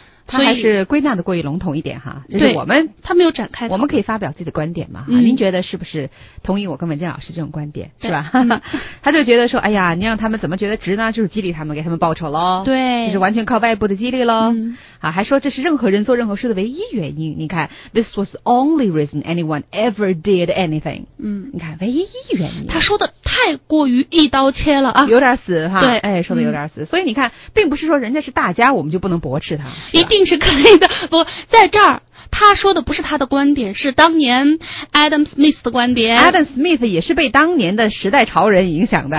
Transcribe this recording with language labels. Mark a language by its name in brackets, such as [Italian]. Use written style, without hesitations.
[Chinese] 他还是归纳的过于笼统一点哈，就是我们他没有展开，我们可以发表自己的观点嘛。您觉得是不是同意我跟文健老师这种观点，是吧？他就觉得说，哎呀，你让他们怎么觉得值呢？就是激励他们，给他们报酬咯。对，就是完全靠外部的激励咯。啊，还说这是任何人做任何事的唯一原因。你看 [English] ，this was the only reason anyone ever did anything。 [Chinese] 你看，唯一原因。他说的太过于一刀切了啊，有点死哈。对，哎，说的有点死。所以你看，并不是说人家是大家，我们就不能驳斥他，一定是可以的。不，在这儿他说的不是他的观点，是当年 Adam Smith 的观点。 Adam Smith 也是被当年的时代潮人影响的，